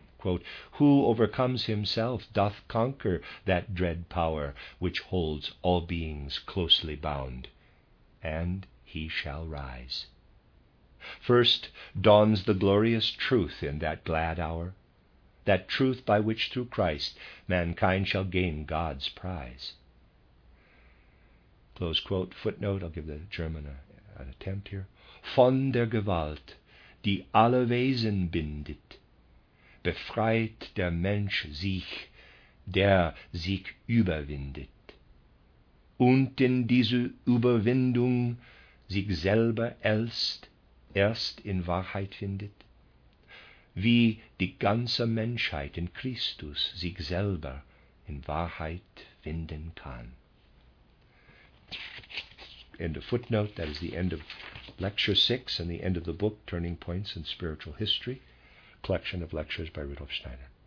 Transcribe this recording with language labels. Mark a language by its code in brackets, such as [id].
[en] Quote, who overcomes himself doth conquer that dread power which holds all beings closely bound, and he shall rise. First dawns the glorious truth in that glad hour, that truth by which through Christ mankind shall gain God's prize. Close quote. Footnote, I'll give the German an attempt here. [de] Von der Gewalt, die alle Wesen bindet, befreit der Mensch sich, der sich überwindet, und in diese Überwindung sich selber erst in Wahrheit findet, wie die ganze Menschheit in Christus sich selber in Wahrheit finden kann. [en] End of footnote. That is the end of Lecture 6 and the end of the book, Turning Points in Spiritual History, collection of lectures by Rudolf Steiner.